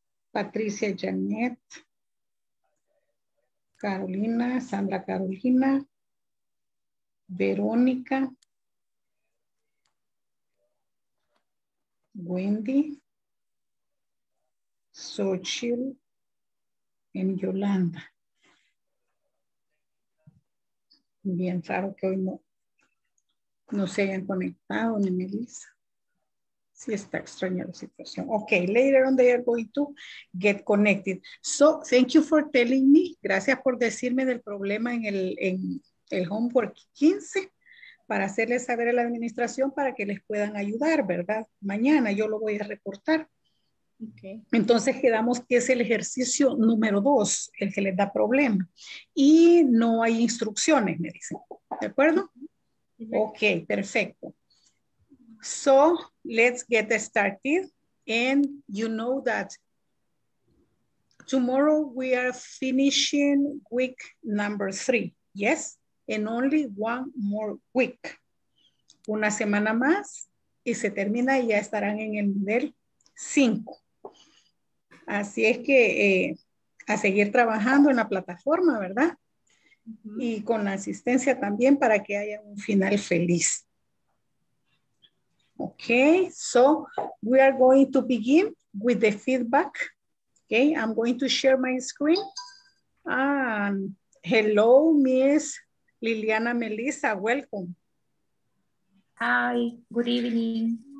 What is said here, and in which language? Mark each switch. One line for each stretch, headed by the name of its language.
English: Patricia Janet, Carolina, Sandra Carolina, Verónica, Wendy, Xochitl, and Yolanda.
Spanish: Bien raro que hoy no se hayan conectado ni Melissa. Sí, está extraña la situación.
English: Okay, later on they are going to get connected. So, thank you for telling me.
Spanish: Gracias por decirme del problema en el homework 15 para hacerles saber a la administración para que les puedan ayudar, ¿verdad? Mañana yo lo voy a reportar.
English: Okay.
Spanish: Entonces quedamos que es el ejercicio número 2 el que les da problema. Y no hay instrucciones, me dicen. ¿De acuerdo? Okay, perfecto.
English: So, let's get started, and you know that tomorrow we are finishing week number 3, yes? And only one more week.
Spanish: Una semana más, y se termina, y ya estarán en el nivel 5. Así es que a seguir trabajando en la plataforma, ¿verdad? Mm-hmm. Y con la asistencia también para que haya un final feliz.
English: Okay, so we are going to begin with the feedback. Okay, I'm going to share my screen. Hello, Miss Liliana Melissa, welcome. Hi, good evening.